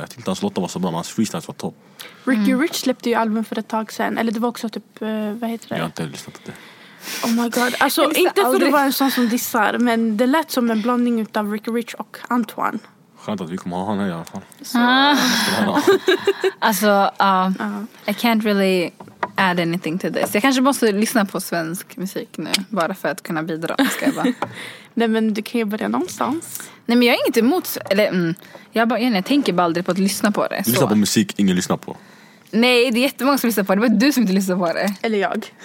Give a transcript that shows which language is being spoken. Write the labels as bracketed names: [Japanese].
[Swedish] Jag tyckte hans låtar var så bra, men hans freestyles var topp. Ricky Rich släppte ju album för ett tag sen. Eller det var också typ... Vad heter det? Jag har inte lyssnat på det. [English] Oh my god, [Swedish] alltså inte för att vara en sån som dissar. Men det lät som en blandning utav Ricky Rich och Antoine. Skönt att vi kommer att ha honom här i alla fall. Alltså, [English] I can't really add anything to this. [Swedish] Jag kanske måste lyssna på svensk musik nu. Bara för att kunna bidra. Ska jag bara. Nej, men du kan ju börja någonstans. Nej, men jag är inte emot... Jag tänker bara aldrig på att lyssna på det. Du lyssnar på musik ingen lyssnar på. Nej, det är jättemånga som lyssnar på det. Det är bara du som inte lyssnar på det. Eller jag.